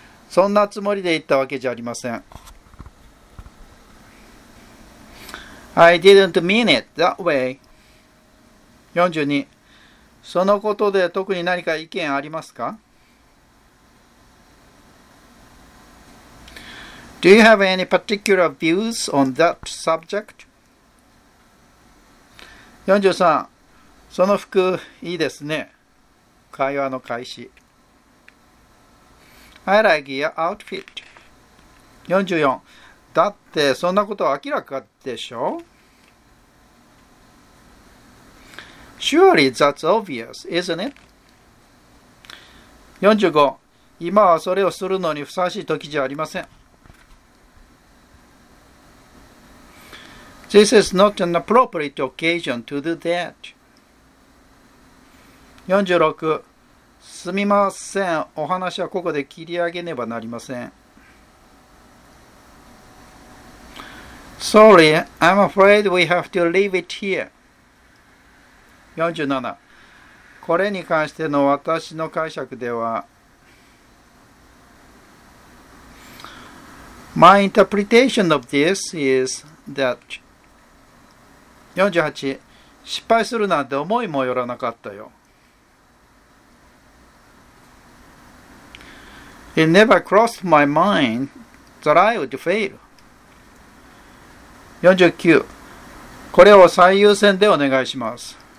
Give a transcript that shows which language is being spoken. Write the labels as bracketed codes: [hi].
[ja] そんなつもりで言ったわけじゃありません。 [en] I didn't mean it that way. 42. [ja] そのことで特に何か意見ありますか? [en] Do you have any particular views on that subject? [ja] 43. その服いいですね。会話の開始。 [en] I like your outfit. 44. [ja] だってそんなことは明らかでしょ? [en] Surely that's obvious, isn't it? 45. [ja] 今はそれをするのにふさわしい時じゃありません。 [en] This is not an appropriate occasion to do that. [ja] 46. すみません。お話はここで切り上げねばなりません。 [en] Sorry, I'm afraid we have to leave it here. 47. [ja] これに関しての私の解釈では [en] My interpretation of this is that 48. [ja] 失敗するなんて思いもよらなかったよ。 [en] It never crossed my mind that I would fail. 49. [ja] これを最優先でお願いします。